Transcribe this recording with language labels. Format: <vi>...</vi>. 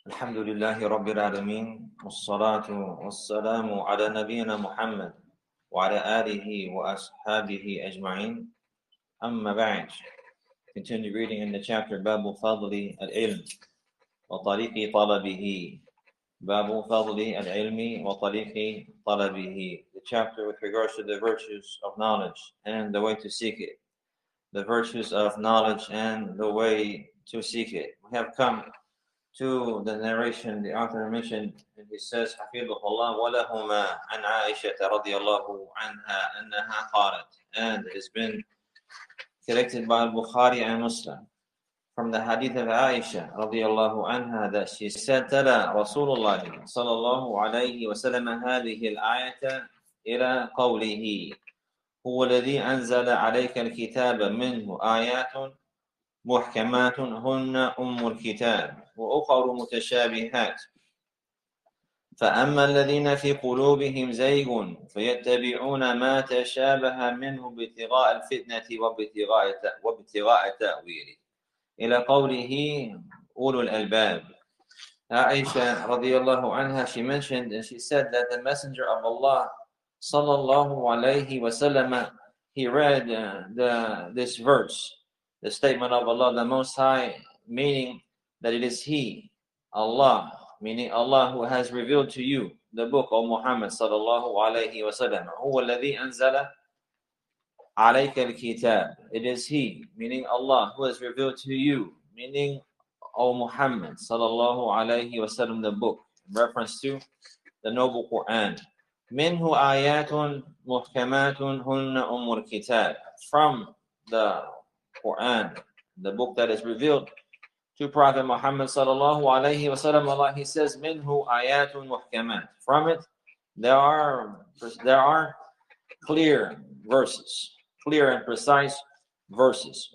<ar>الحمد لله رب العالمين، والصلاة والسلام على نبينا محمد وعلى آله وأصحابه أجمعين. أما بعد،</ar> <en>continue reading in the chapter</en> <ar>باب فضل العلم وطريق طلبه. باب فضل العلم وطريق طلبه.</ar> <en>The chapter with regards to the virtues of knowledge and the way to seek it. The virtues of knowledge and the way to seek it. We have come to the narration, the author mentioned, and he says,</en> <ar>حَفِظُهُ اللَّهُ وَلَهُمَا عَنْ عَائِشَةَ رَضِيَ اللَّهُ عَنْهَا أَنَّهَا قَالَتْ.</ar> <en>And it's been collected by Bukhari and Muslim from the hadith of Aisha</en> <ar>رَضِيَ اللَّهُ عَنْهَا</ar> <en>that she said,</en> <ar>تَلَى رَسُولُ اللَّهِ صَلَى اللَّهُ عَلَيْهِ وَسَلَمَ هَذِهِ الْآيَةَ إِلَى قَوْلِهِ هُوَ الَّذِي أَنْزَلَ عَلَيْكَ الْكِتَابَ مِنْهُ آيَاتٌ مُحْكَمَاتٌ هُنَّ أُمُّ الْكِتَابِ وأخر متشابهات فأما الذين في قلوبهم زيغ فيتبعون ما تشابه منه ابتغاء الفتنة وابتغاء التأويل إلى قوله أولو الألباب. عائشة رضي الله عنها,</ar> <en>she mentioned and she said that the messenger of Allah</en> <ar>صلى الله عليه وسلم,</ar> <en>he read this verse, the statement of Allah the Most High, meaning that it is He, Allah, meaning Allah, who has revealed to you the book of Muhammad sallallahu alayhi wa sallam.</en> <ar>هو الذي أنزل عليك الكتاب.</ar> <en>It is He, meaning Allah, who has revealed to you, meaning O Muhammad sallallahu alayhi wa sallam, the book, in reference to the noble Quran.</en> <ar>منه آيات محكمات هن أم الكتاب.</ar> <en>From the Quran, the book that is revealed to Prophet Muhammad sallallahu alayhi wa sallam, Allah, he says,</en> <ar>minhu ayatun muhkamat.</ar> <en>From it, there are clear verses, clear and precise verses.</en>